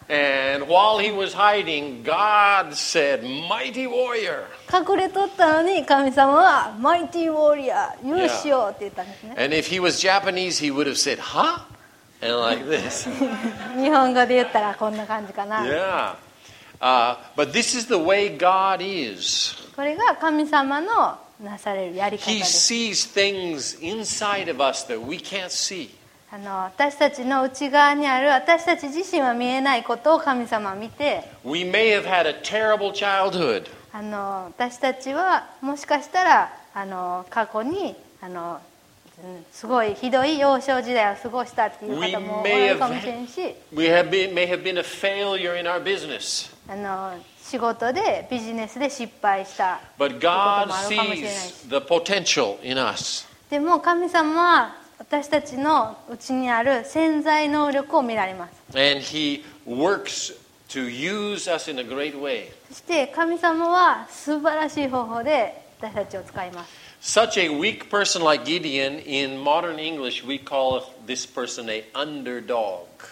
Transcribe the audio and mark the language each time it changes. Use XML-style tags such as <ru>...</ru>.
<en>And while he was hiding, God said, "Mighty warrior."</en> <ja>隠れとったのに神様は</ja> <en>Mighty warrior、</en> <ja>勇士よって言ったんですね。</ja> <en>And if he was Japanese, he would have said, "Huh?" And like this.</en> <ja>日本語で言ったらこんな感じかな。 Yeah.</ja> <en>But this is the way God is.</en> <ja>これが神様のなされるやり方です。</ja> <en>He sees things inside of us that we can't see.</en> <ja>私たちの内側にある私たち自身は見えないことを神様は見て、</ja> <en>We may have had a terrible childhood.</en> <ja>私たちはもしかしたら過去にすごいひどい幼少時代を過ごしたっていう方も多いかもしれんし、</ja> <en>may have been a failure in our business.</en> <ja>仕事でビジネスで失敗したこともあるかもしれないし、</ja> <en>But God sees the potential in us.</en> <ja>でも神様は私たちのうちにある潜在能力を見られます。</ja> <en>And he works to use us in a great way.</en> <ja>そして神様は素晴らしい方法で私たちを使います。</ja> <en>Such a weak person like Gideon, in modern English, we call this person a underdog.</en>